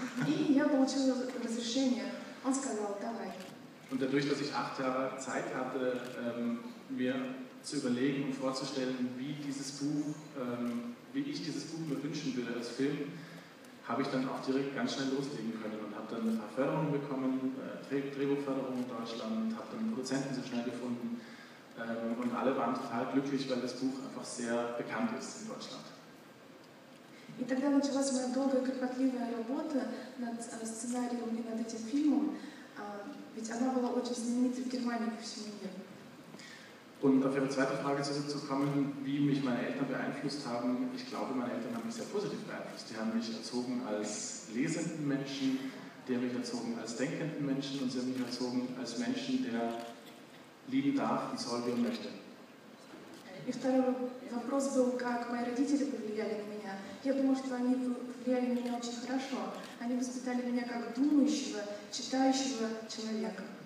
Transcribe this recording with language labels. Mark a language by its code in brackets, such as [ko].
[ru] И я получила разрешение. Он сказал: "Давай". [de] Und dadurch, dass ich 8 Jahre Zeit hatte, mir zu überlegen und vorzustellen, wie ich dieses Buch mir wünschen würde als Film, habe ich dann auch direkt ganz schnell loslegen können und habe dann ein paar Förderungen bekommen, Drehbuchförderung in Deutschland, habe dann Produzenten sehr schnell gefunden. Und alle waren total glücklich, weil das Buch einfach sehr bekannt ist in Deutschland. Und [ru] тогда началась моя долгая кропотливая работа над сценарием и над этим фильмом, ведь она была очень знаменита в Германии по всему миру. [de] Und auf Ihre zweite Frage zu kommen, wie mich meine Eltern beeinflusst haben, ich glaube, meine Eltern haben mich sehr positiv beeinflusst. Die haben mich erzogen als lesenden Menschen, die haben mich erzogen als denkenden Menschen und sie haben mich erzogen als Menschen, der lieben darf und soll, wie er möchte. [ru] И второй вопрос был, как мои родители повлияли на меня. Я думаю, что они повлияли на меня очень хорошо. Они воспитали меня как думающего, читающего человека.